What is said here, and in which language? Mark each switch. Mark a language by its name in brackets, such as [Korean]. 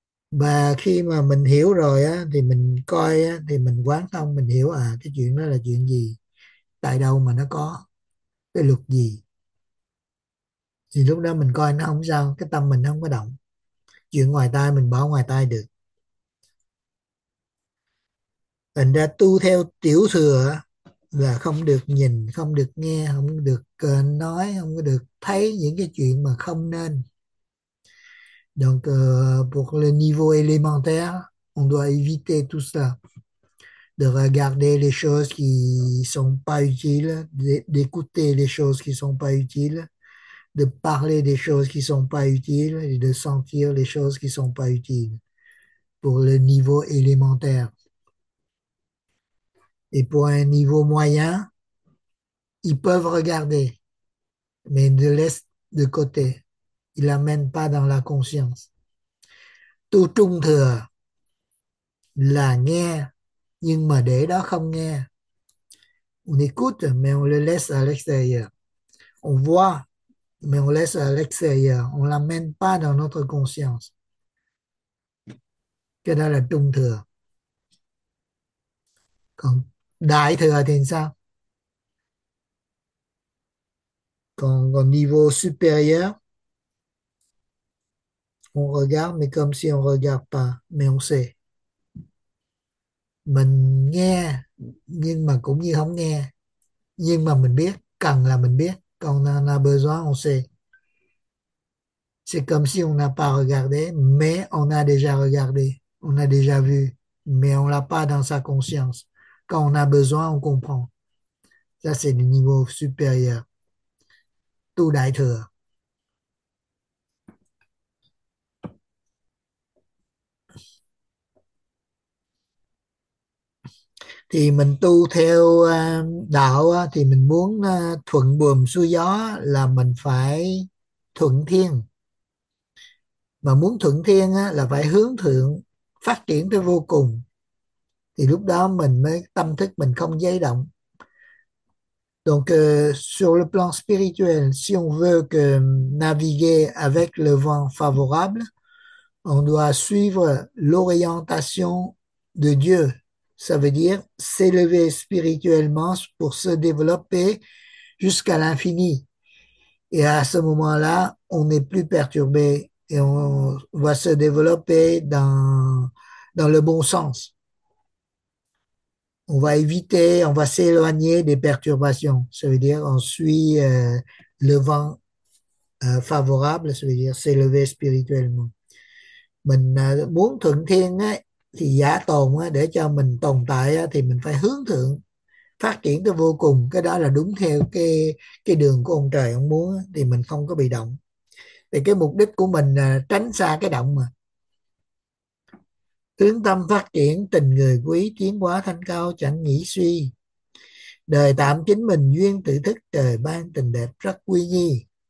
[Vietnamese] Và khi mà mình hiểu rồi á thì mình coi á thì mình quán thông mình hiểu à cái chuyện đó là chuyện gì tại đâu mà nó có cái luật gì thì lúc đó mình coi nó không sao cái tâm mình không có động chuyện ngoài tai mình bỏ ngoài tai được thành ra tu theo tiểu thừa là không được nhìn không được nghe không được nói không có được thấy những cái chuyện mà không nên. [French] Donc, pour le niveau élémentaire, on doit éviter tout ça, de regarder les choses qui sont pas utiles, d'écouter les choses qui sont pas utiles, de parler des choses qui sont pas utiles et de sentir les choses qui sont pas utiles pour le niveau élémentaire. Et pour un niveau moyen, ils peuvent regarder, mais ils le laissent de côté. Il l'amène pas dans la conscience. [Vietnamese] Tu trung thừa là nghe, nhưng mà để đó không nghe. [French] On écoute, mais on le laisse à l'extérieur. On voit, mais on laisse à l'extérieur. On l'amène pas dans notre conscience. [Vietnamese] Cái đó là trung thừa. Còn đại thừa thì sao? Còn [French] niveau supérieur, on regarde mais comme si on regarde pas mais on sait [Vietnamese] mình nghe nhưng mà cũng như không nghe nhưng mà mình biết cần là mình biết còn là [French] besoin on sait C'est comme si on n'a pas regardé, mais on a déjà regardé, on a déjà vu, mais on l'a pas dans sa conscience. Quand on a besoin, on comprend. Ça, c'est le niveau supérieur. Tout d'ailleurs. [Vietnamese] Thì mình tu theo đạo thì mình muốn thuận buồm xuôi gió là mình phải thuận thiên. Mà muốn thuận thiên là phải hướng thượng phát triển tới vô cùng. Thì lúc đó mình mới tâm thức mình không dao động. [French] Donc sur le plan spirituel, si on veut que naviguer avec le vent favorable, on doit suivre l'orientation de Dieu. Ça veut dire s'élever spirituellement pour se développer jusqu'à l'infini. Et à ce moment-là, on n'est plus perturbé et on va se développer dans le bon sens. On va éviter, on va s'éloigner des perturbations. Ça veut dire on suit le vent favorable, ça veut dire s'élever spirituellement. [Vietnamese] Mình muốn thuận thiên ấy, thì giả tồn á, để cho mình tồn tại á, thì mình phải hướng thượng phát triển tới vô cùng, cái đó là đúng theo cái đường của ông trời ông muốn á, thì mình không có bị động. Thì cái mục đích của mình là tránh xa cái động, mà hướng tâm phát triển tình người quý, tiến hóa thanh cao chẳng nghĩ suy, đời tạm chính mình duyên tự thức, trời ban tình đẹp rất quy nhi.